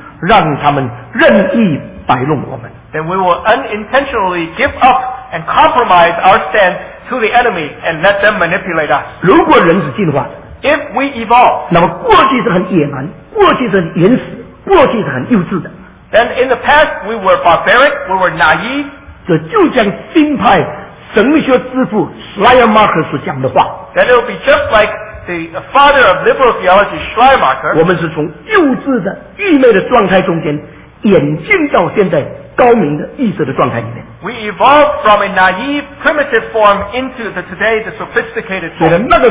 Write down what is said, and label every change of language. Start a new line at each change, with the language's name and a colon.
Chinese: 我们会非常不义的、不自救的就把整个教会的信仰，因为妥协的缘故，把它完全交给仇敌，让他们任意摆弄我们。
English: Then we will unintentionally give up and compromise our stance to the enemy and let them manipulate us.
Chinese: 如果人是进化的，
English: if we evolve,
Chinese: 那么过去是很野蛮，过去是很原始，过去是很幼稚的。
English: Then in the past we were barbaric, we were naive.
Chinese: 这就像新派神学之父 Schleiermacher 所讲的话。
English: Then it will be just like the father of liberal theology, Schleiermacher.
Chinese: 我们是从幼稚的愚昧的状态中间演进到现在。
English: We evolved from a naive, primitive form into today's sophisticated form.